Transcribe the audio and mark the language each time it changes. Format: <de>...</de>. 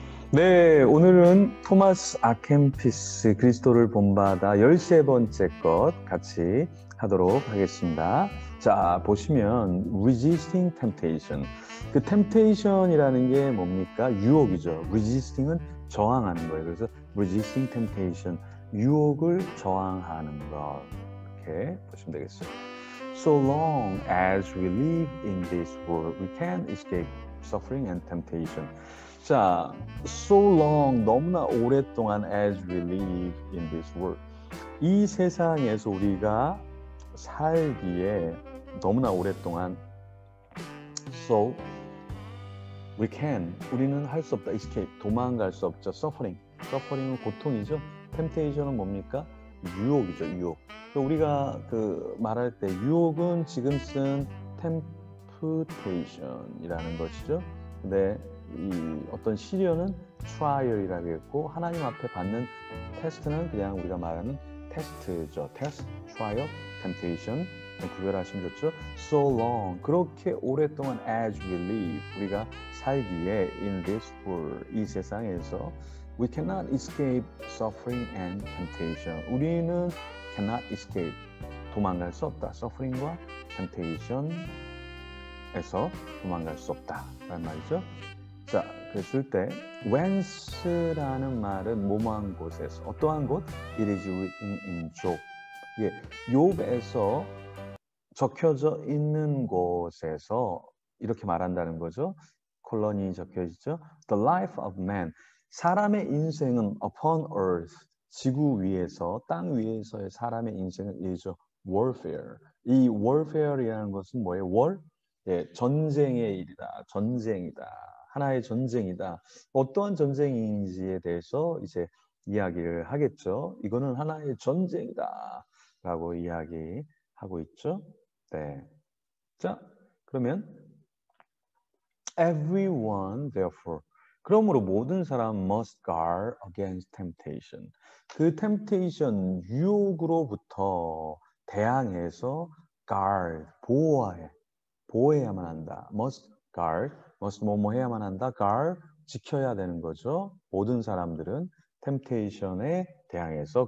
<ko>네, 오늘은 토마스 아퀸피스 그리스도를 본받아 13번째 것 같이 하도록 하겠습니다. 자, 보시면 resisting temptation. 그 temptation이라는 게 뭡니까? 유혹이죠. resisting은 저항하는 거예요. 그래서 resisting temptation, 유혹을 저항하는 것. 이렇게 보시면 되겠어요.</ko> <en>So long as we live in this world, we can't escape suffering and temptation.</en> <ko>자, so long, 너무나 오랫동안 as we live in this world. 이 세상에서 우리가 살기에 너무나 오랫동안</ko> <en>so we can,</en> <ko>우리는 할수 없다, escape, 도망갈 수 없죠, suffering. suffering은 고통이죠. temptation은 뭡니까? 유혹이죠, 유혹. 우리가 그 말할 때 유혹은 지금 쓴 temptation이라는 것이죠. 근데 이 어떤 시련은 trial이라고 했고 하나님 앞에 받는 테스트는 그냥 우리가 말하는 테스트죠. 테스트, trial, temptation 구별하시면 좋죠.</ko> <en>So long,</en> <ko>그렇게 오랫동안</ko> <en>as we live,</en> <ko>우리가 살기에</ko> <en>in this world,</en> <ko>이 세상에서</ko> <en>we cannot escape suffering and temptation.</en> <ko>우리는</ko> <en>cannot escape,</en> <ko>도망갈 수 없다. suffering과 temptation에서 도망갈 수 없다라는 말이죠. 자, 그랬을 때 whence라는 말은 뭐뭐한 곳에서, 어떠한 곳?</ko> <en>It is written in Job.</en> <ko>예, 욥에서 적혀져 있는 곳에서 이렇게 말한다는 거죠. 콜론이 적혀 있죠.</ko> <en>The life of man,</en> <ko>사람의 인생은</ko> <en>upon earth,</en> <ko>지구 위에서, 땅 위에서의 사람의 인생은</ko> <en>is warfare.</en> <ko>이 warfare이라는 것은 뭐예요?</ko> <en>War?</en> <ko>예, 전쟁의 일이다, 전쟁이다. 하나의 전쟁이다. 어떠한 전쟁인지에 대해서 이제 이야기를 하겠죠. 이거는 하나의 전쟁이다 라고 이야기하고 있죠. 네. 자, 그러면</ko> <en>everyone therefore,</en> <ko>그러므로 모든 사람</ko> <en>must guard against temptation.</en> <ko>그 temptation, 유혹으로부터 대항해서 guard, 보호해. 보호해야만 한다.</ko> <en>must guard.</en> <ko>뭐뭐 해야만 한다. guard, 지켜야 되는 거죠. 모든 사람들은 temptation에 대항해서.</ko>